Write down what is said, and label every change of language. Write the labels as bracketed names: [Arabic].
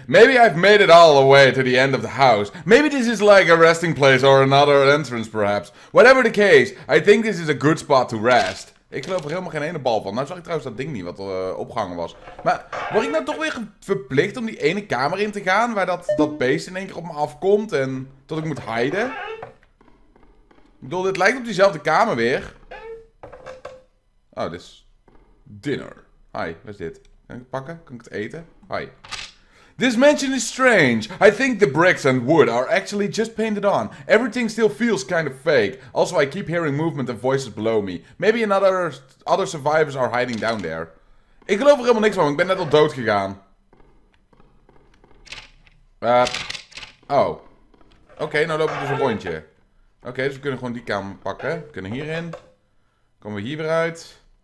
[English] Maybe I've made it all the way to the end of the house. Maybe this is like a resting place or another entrance perhaps. Whatever the case, I think this is a good spot to rest. [Dutch] Ik geloof er helemaal geen ene bal van. Nou zag ik trouwens dat ding niet wat opgehangen was. Maar word ik nou toch weer verplicht om die ene kamer in te gaan... ...waar dat beest in één keer op me afkomt en dat ik moet hiden? Ik bedoel, dit lijkt op diezelfde kamer weer. Oh, dit is... dinner. Hi, wat is dit? Kan ik het pakken? Kan ik het eten? Hi. [English] This mansion is strange. I think the bricks and wood are actually just painted on. Everything still feels kind of fake. Also, I keep hearing movement and voices below me. Maybe other survivors are hiding down there. [Dutch] Ik geloof er helemaal niks van, ik ben net al dood gegaan. Oh. Oké, nou lopen we dus een rondje. Oké, dus we kunnen gewoon die kamer pakken. We kunnen hierin. Komen we hier weer uit.